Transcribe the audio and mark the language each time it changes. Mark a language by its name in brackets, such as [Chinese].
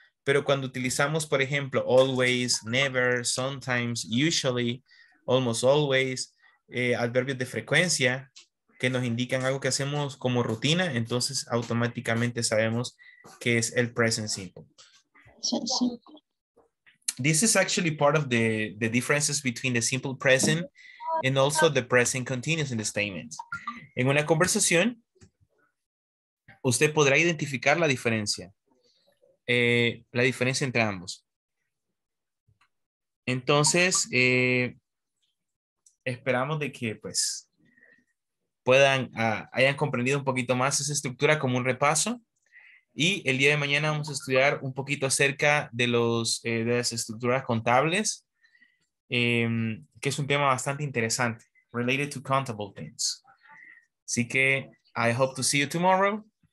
[Spanish] Pero cuando utilizamos, por ejemplo, always, never, sometimes, usually, almost always, adverbios de frecuencia que nos indican algo que hacemos como rutina, entonces automáticamente sabemos que es el present simple. [English] This is actually part of the differences between the simple present and also the present continuous in the statements. [Spanish] En una conversación, usted podrá identificar la diferencia entre ambos. Entonces, esperamos de que pues puedan, hayan comprendido un poquito más esa estructura como un repaso. Y el día de mañana vamos a estudiar un poquito acerca de los de las estructuras contables, que es un tema bastante interesante, [English] related to countable things. [Spanish] Así que [English] I hope to see you tomorrow.